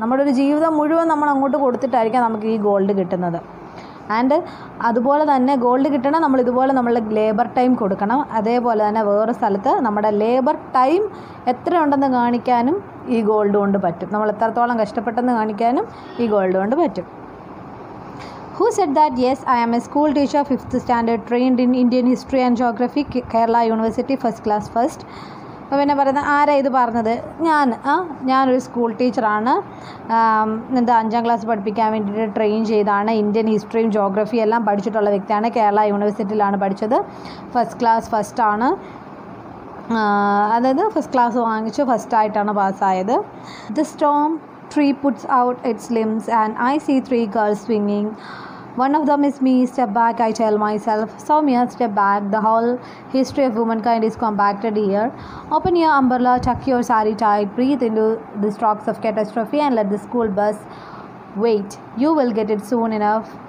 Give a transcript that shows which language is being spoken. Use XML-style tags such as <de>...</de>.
<ml>നമ്മുടെ ഒരു ജീവിതം മുഴുവൻ നമ്മൾ അങ്ങോട്ട് കൊടുത്തിട്ടായിരിക്കും നമുക്ക് ഈ ഗോൾഡ് കിട്ടുന്നത്. ആൻഡ് അതുപോലെ തന്നെ ഗോൾഡ് കിട്ടണം, നമ്മളിതുപോലെ നമ്മളുടെ ലേബർ ടൈം കൊടുക്കണം. അതേപോലെ തന്നെ വേറെ സ്ഥലത്ത് നമ്മുടെ ലേബർ ടൈം എത്രയുണ്ടെന്ന് കാണിക്കാനും ഈ ഗോൾഡ് കൊണ്ട് പറ്റും. നമ്മൾ എത്രത്തോളം കഷ്ടപ്പെട്ടെന്ന് കാണിക്കാനും ഈ ഗോൾഡ് കൊണ്ട് പറ്റും.</ml> <en>Who said that? Yes, I am a school teacher, 5th standard, trained in Indian history and geography, Kerala University, first class first.</en> <ml>അപ്പോൾ പിന്നെ പറയുന്നത് ആരാണ് ഇത് പറഞ്ഞത്? ഞാൻ ഞാനൊരു സ്കൂൾ ടീച്ചറാണ്, എന്താ 5-ാം ക്ലാസ് പഠിപ്പിക്കാൻ വേണ്ടിയിട്ട് ട്രെയിൻ ചെയ്താണ്, ഇന്ത്യൻ ഹിസ്റ്ററിയും ജോഗ്രഫിയും എല്ലാം പഠിച്ചിട്ടുള്ള വ്യക്തിയാണ്, കേരള യൂണിവേഴ്സിറ്റിയിലാണ് പഠിച്ചത്, 1st ക്ലാസ് 1st ആണ്, അതായത് 1st ക്ലാസ് വാങ്ങിച്ചു, 1st ആയിട്ടാണ് പാസ്സായത്.</ml> <en>The storm tree puts out its limbs and I see 3 girls swimming. One of them is me. Step back, I tell myself. Soumya, step back. The whole history of womankind is compacted here. Open your umbrella, tuck your sari tight, breathe into the strokes of catastrophe and let the school bus wait. You will get it soon enough.</en>